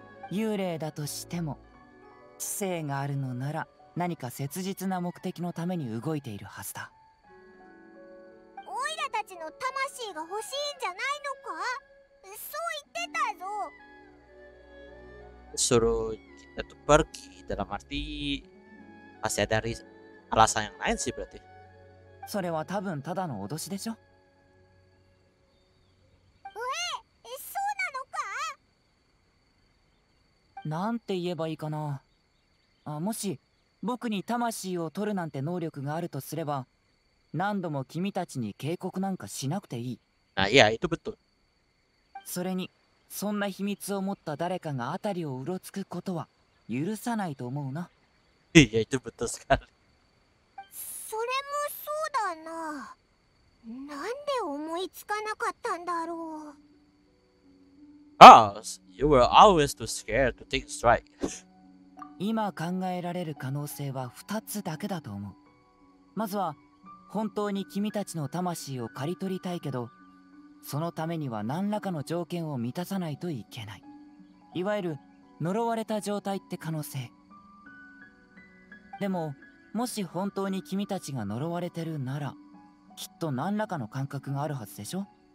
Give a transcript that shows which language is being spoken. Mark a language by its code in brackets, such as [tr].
[ja] 幽霊だとしても知性があるのなら何か切実な目的のために動いているはずだ。オイラたちの魂が欲しいんじゃないのか？そう言ってたぞ。 [id] Suruh kita tuh pergi dalam arti masih ada alasan yang lain sih berarti. [ja] それは多分ただの脅しでしょ。なんて言えばいいかな。あ、もし僕に魂を取るなんて能力があるとすれば、何度も君たちに警告なんかしなくていい。あ、いや、イトブット。それにそんな秘密を持った誰かが辺りをうろつくことは許さないと思うな。いや、イトブットスカル。それもそうだな。なんで思いつかなかったんだろう。 [en] Oh, you were always too scared to take a strike. [ja] 今考えられる可能性は2つだけだと思う。まずは本当に君たちの魂を刈り取りたいけど、そのためには何らかの条件を満たさないといけない。いわゆる呪われた状態って可能性。でももし本当に君たちが呪われてるなら、きっと何らかの感覚があるはずでしょ。